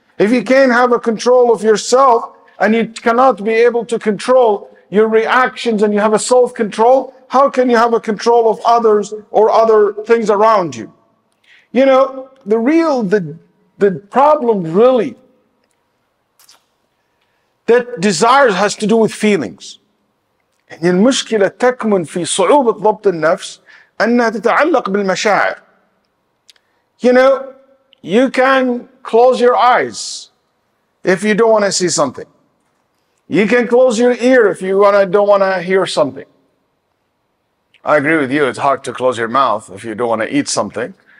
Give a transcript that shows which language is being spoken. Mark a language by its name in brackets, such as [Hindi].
[English] If you can't have a control of yourself and you cannot be able to control your reactions and you have a self-control, how can you have a control of others or other things around you? You know, the problem really, that desires has to do with feelings. [Arabic] المشكلة تكمن في صعوبة ضبط النفس أنها تتعلق بالمشاعر. [English] You know, you can close your eyes if you don't want to see something. You can close your ear if you don't want to hear something. I agree with you, it's hard to close your mouth if you don't want to eat something.